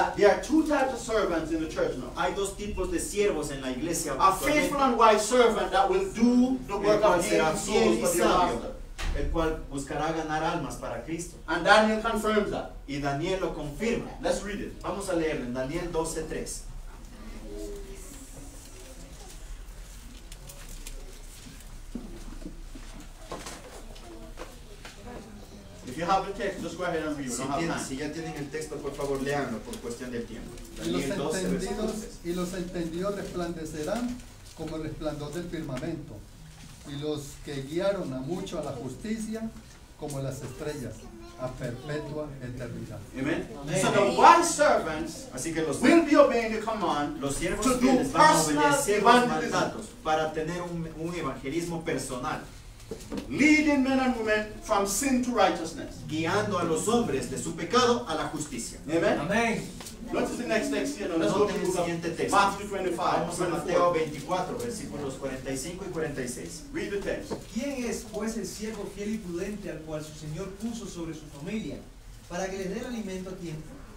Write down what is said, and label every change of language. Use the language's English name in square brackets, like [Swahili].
[English] There are two types of servants in the church now. [Spanish] Hay dos tipos de siervos en la iglesia. [English] A faithful and wise servant that will do the work of Jesus for the master. [Spanish] El cual buscará ganar almas para Cristo. [English] And Daniel confirms that. [Spanish] Y Daniel lo confirma. [English] Let's read it. [Spanish] Vamos a leerlo en Daniel 12:3. [English] If you have the text, just go ahead and read. [Spanish] Si, si ya tienen el texto, por favor, léanlo por cuestión del tiempo. Y los entendidos, resplandecerán como el resplandor del firmamento, y los que guiaron a mucho a la justicia como las estrellas a perpetua eternidad. [English] Amen. Amen. So the wise servants, [Spanish] así que los [English] will be obeying the command, [Spanish] los siervos [English] to do personal evangelism, [Spanish] para tener un evangelismo personal. [English] Leading men and women from sin to righteousness. [Spanish] Guiando a los hombres de su pecado a la justicia. [English] Amen. Amen. Notice the next text here. Let's go to the [Spanish] siguiente texto. [English] Matthew 25. [Spanish] Vamos a Mateo 24, versículos 45 y 46. [English] Read the text. [Spanish] ¿Quién es, pues, el siervo fiel y prudente al cual su señor puso sobre su familia para que le dé alimento a tiempo?